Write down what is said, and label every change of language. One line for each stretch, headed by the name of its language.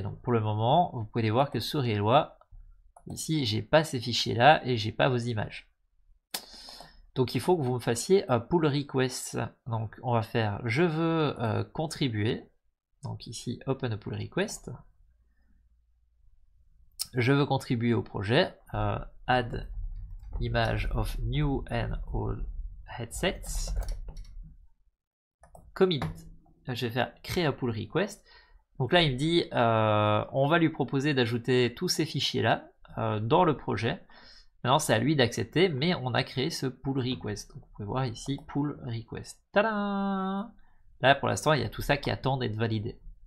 French: Donc pour le moment, vous pouvez voir que sur Eloi, ici, j'ai pas ces fichiers-là et j'ai pas vos images. Donc il faut que vous me fassiez un pull request. Donc on va faire « Je veux contribuer ». Donc ici,
English: open a pull request.
French: Je veux contribuer au projet.
English: Add image of new and old headsets. Commit.
French: Je vais faire créer un pull request. Donc là, il me dit, on va lui proposer d'ajouter tous ces fichiers-là dans le projet. Maintenant, c'est à lui d'accepter, mais on a créé ce pull request. Donc, vous pouvez voir ici, pull request. Ta-da ! Là, pour l'instant, il y a tout ça qui attend d'être validé.